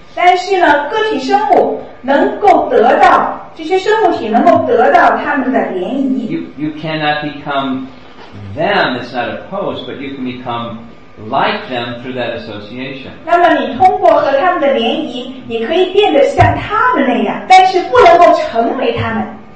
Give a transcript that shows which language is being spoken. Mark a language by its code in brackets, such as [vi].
[zh] 但是呢，个体生物能够得到。这些生物体能够得到他们的联谊。 [en] You cannot become them, it's not opposed, but you can become like them through that association. [zh] 那么你通过和他们的联谊，你可以变得像他们那样，但是不能够成为他们。